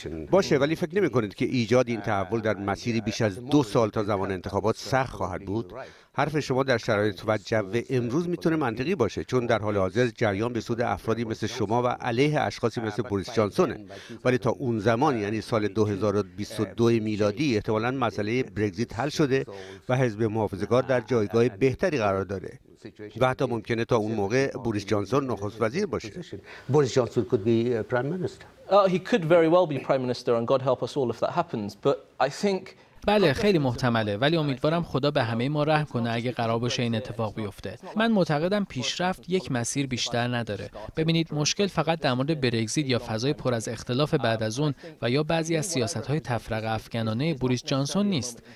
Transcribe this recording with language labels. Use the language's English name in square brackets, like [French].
[Persian] باشه، ولی فکر نمی کنید که ایجاد این تحول در مسیری بیش از 2 سال تا زمان انتخابات سخت خواهد بود؟ حرف شما در شرایط و جو امروز میتونه منطقی باشه، چون در حال حاضر جریان به سود افرادی مثل شما و علیه اشخاصی مثل بوریس جانسونه، ولی تا اون زمان، یعنی سال 2022 میلادی، احتمالاً مسئله برگزیت حل شده و حزب محافظه‌کار در جایگاه بهتری قرار داره. و حتی ممکنه تا اون موقع بوریس جانسون نخست وزیر باشه. [English] Boris Johnson could be prime minister. He could very well be prime minister and God help us all if that happens. But I think [Persian] بله خیلی محتمله، ولی امیدوارم خدا به همه ما رحم کنه اگه قرار باشه این اتفاق بیفته. من معتقدم پیشرفت یک مسیر بیشتر نداره. ببینید مشکل فقط در مورد برگزیت یا فضای پر از اختلاف بعد از اون و یا بعضی از سیاست‌های تفرقه افکنانه بوریس جانسون نیست.